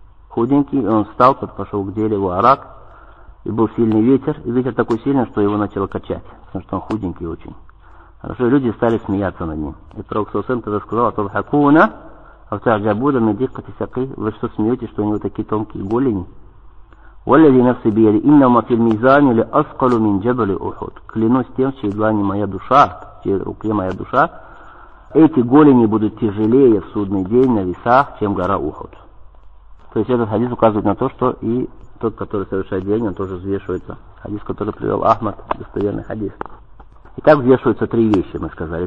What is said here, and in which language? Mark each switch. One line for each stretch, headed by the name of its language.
Russian: Худенький, и он встал, подошел к дереву Арак, и был сильный ветер. И ветер такой сильный, что его начало качать, потому что он худенький очень. Хорошо, и люди стали смеяться над ним. И пророк Саусен тогда сказал, а то хакуна, а в царь Джабуда, медих, катисакы, вы что смеетесь, что у него такие тонкие голени?
Arabic: والذي نفسي بيده إنما في الميزان لأثقل من جبل أحد.
Russian: Клянусь тем, чьи длани моя душа, чьи руки моя душа, эти голени будут тяжелее в судный день на весах, чем гора Ухуд. То есть этот хадис указывает на то, что и тот, который совершает деяние, он тоже взвешивается. Хадис, который привел Ахмад, достоверный хадис. Итак, взвешиваются три вещи, мы сказали.